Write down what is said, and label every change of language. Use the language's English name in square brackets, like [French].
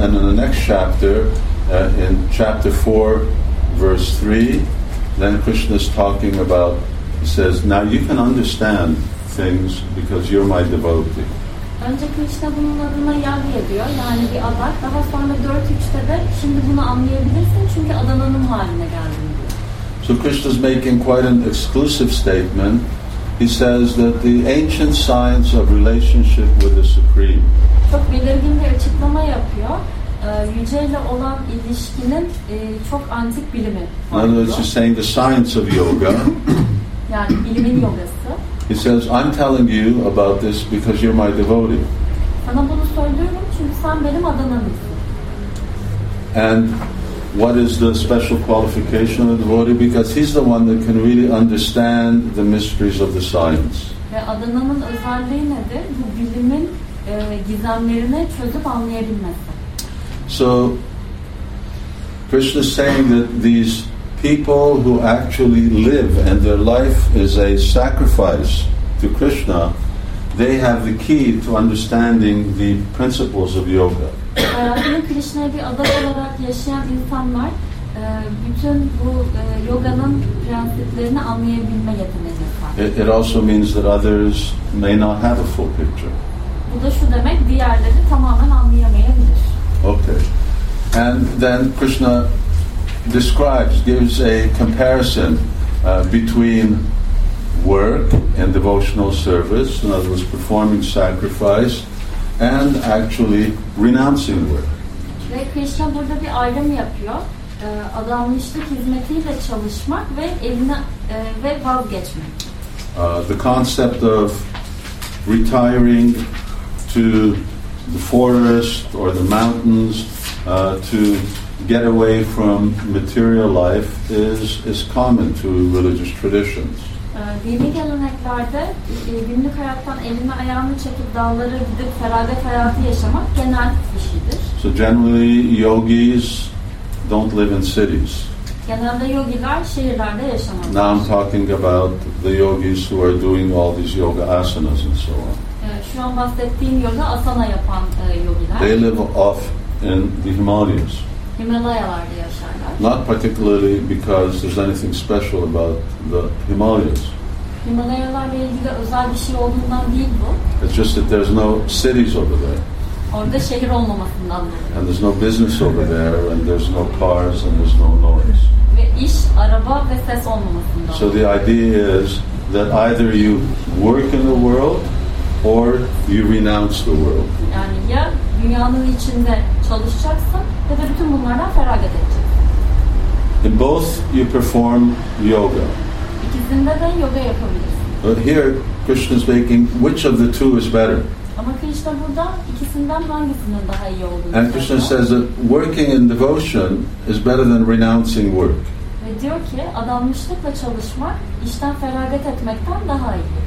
[English] And in the next chapter, in chapter 4, verse 3, then Krishna is talking about, he says, now you can understand things because you're my devotee. [Turkish] Önce Krishna bunun adına yagya diyor, yani bir adak. Daha sonra 4-3'te de şimdi bunu anlayabilirsin çünkü adananın haline geldin diyor. [English] So Krishna's making quite an exclusive statement. He says that the ancient science of relationship with the Supreme. [Turkish] Çok belirgin bir açıklama yapıyor. Yüce ile olan ilişkinin çok antik bilimi. [English] In other words, he's saying the science of yoga. [Turkish] Yani bilimin yogası. [English] He says, I'm telling you about this because you're my devotee. [Turkish] Sana bunu söylüyorum çünkü sen benim adanımsın. [English] And what is the special qualification of the devotee? Because he's the one that can really understand the mysteries of the science. [Turkish] Ve adanımın özelliği nedir? Bu bilimin gizemlerini çözüp anlayabilmesi. [English] So, Krishna is saying that these people who actually live and their life is a sacrifice to Krishna, they have the key to understanding the principles of yoga. [Turkish] Hayatını Krishna'ya bir adak olarak yaşayan insanlar bütün bu yoganın prensiplerini anlayabilme yeteneği var. [English] It also means that others may not have a full picture. [Turkish] Bu da şu demek, diğerleri tamamen anlayamayabilir. [English] Okay. And then Krishna describes, gives a comparison between work and devotional service, in other words, performing sacrifice, and actually renouncing work. [Turkish] Ve Krishna burada bir ayrım yapıyor. Adanmışlık hizmetiyle çalışmak ve eline ve vazgeçmek. [English] The concept of retiring to the forest or the mountains to get away from material life is common to religious traditions. [Turkish] Dini geleneklerde günlük hayattan elini ayağını çekip dağlara gidip feragat hayatı yaşamak genel bir şeydir. [English] So generally yogis don't live in cities. [Turkish] Genelde yogiler şehirlerde yaşamaz. [English] Now I'm talking about the yogis who are doing all these yoga asanas and so on. [Turkish] Şu an bahsettiğim yoga asana yapan yogiler. [English] They live off in the Himalayas. [Turkish] Himalayalarda yaşarlar. [English] Not particularly because there's anything special about the Himalayas. [Turkish] Himalayalarla ilgili özel bir şey olduğundan değil bu. [English] It's just that there's no cities over there. [Turkish] Orada şehir olmamasından dolayı. [English] And there's no business over there, and there's no cars, and there's no noise. [Turkish] Ve iş, araba ve ses olmamasından dolayı. [English] So the idea is that either you work in the world, or you renounce the world. [Turkish] Yani ya dünyanın içinde çalışacaksın ya da bütün bunlardan feragat edeceksin. [English] In both you perform yoga. [Turkish] İkisinde de yoga yapabilirsin. [English] But here Krishna is making which of the two is better? [Turkish] Ama Krishna burada ikisinden hangisinin daha iyi olduğunu. [English] And Krishna says that working in devotion is better than renouncing work. [Turkish] Ve diyor ki adanmışlıkla çalışmak işten feragat etmekten daha iyi.